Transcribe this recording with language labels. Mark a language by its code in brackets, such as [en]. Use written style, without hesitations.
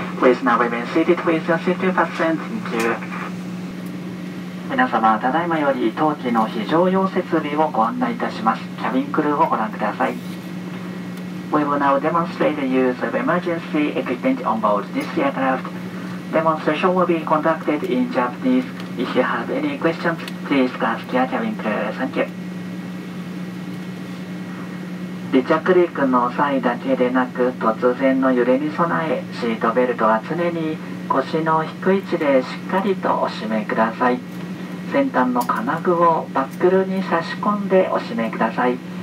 [en] Please now remain seated with your seat fastened. Thank you. [ja] 皆様、ただいまより当機の非常用設備をご案内いたします。キャビンクルーをご覧ください。 [en] We will now demonstrate the use of emergency equipment on board this aircraft. Demonstration will be conducted in Japanese. If you have any questions, please ask your cabin crew. Thank you. [ja] 離着陸の際だけでなく、突然の揺れに備え、シートベルトは常に腰の低い位置でしっかりとお締めください。先端の金具をバックルに差し込んでお締めください。